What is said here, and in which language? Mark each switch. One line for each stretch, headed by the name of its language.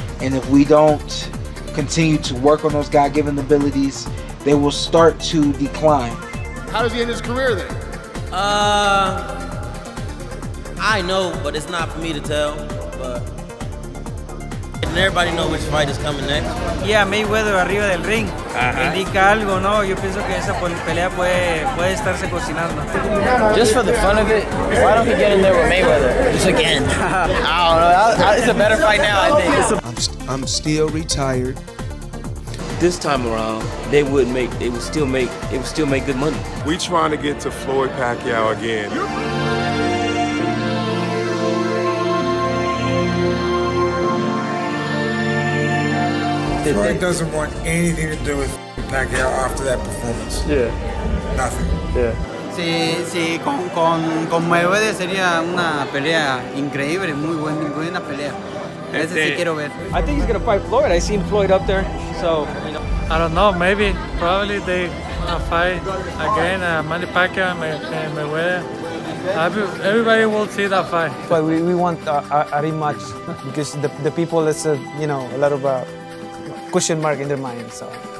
English: And if we don't continue to work on those God-given abilities, they will start to decline. How does he end his career then? I know, but it's not for me to tell. But and everybody know which fight is coming next.
Spanish: Yeah, Mayweather arriba del ring. Indica algo, no? Yo pienso que esa pelea puede estarse cocinando.
English: Just for the fun of it, why don't we get in there with Mayweather? Just again. I don't know. It's a better fight now, I think. I'm still retired. This time around, they would still make good money. We trying to get to Floyd Pacquiao again. Floyd doesn't want anything to do with Pacquiao after that performance. Yeah. Nothing. Yeah.
Spanish: Sí, con Mayweather sería una pelea increíble, muy buena pelea.
English: I think he's going to fight Floyd. I seen Floyd up there, so, you know. I don't know, maybe, probably they fight again, Manny Pacquiao and Mayweather. Everybody will see that fight. But we want a rematch because the people, that's a, you know, a lot of a question mark in their mind, so.